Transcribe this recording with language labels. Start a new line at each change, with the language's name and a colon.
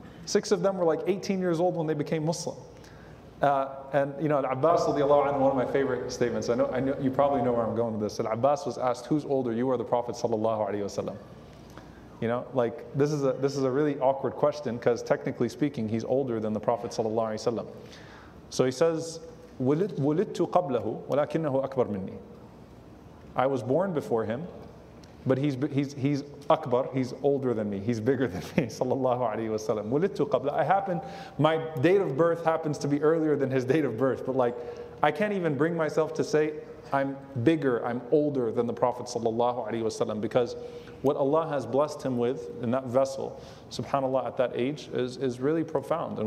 English: Six of them were like 18 years old when they became Muslim. And you know, Al-Abbas, one of my favorite statements, I know you probably know where I'm going with this. Al-Abbas was asked, who's older, you or the Prophet sallallahu alayhi wa sallam? You know, like this is a really awkward question, because technically speaking, he's older than the Prophet sallallahu alayhi wa sallam. So he says,
Arabic: وُلِدْتُ قَبْلَهُ وَلَكِنَّهُ أَكْبَرْ مِنِّي.
English: I was born before him, but he's akbar, he's older than me, he's bigger than me, sallallahu alayhi wa sallam.
Arabic: Wulidtu qabla,
English: my date of birth happens to be earlier than his date of birth, but like, I can't even bring myself to say I'm bigger, I'm older than the Prophet sallallahu alayhi wa sallam, because what Allah has blessed him with in that vessel, subhanAllah, at that age, is really profound.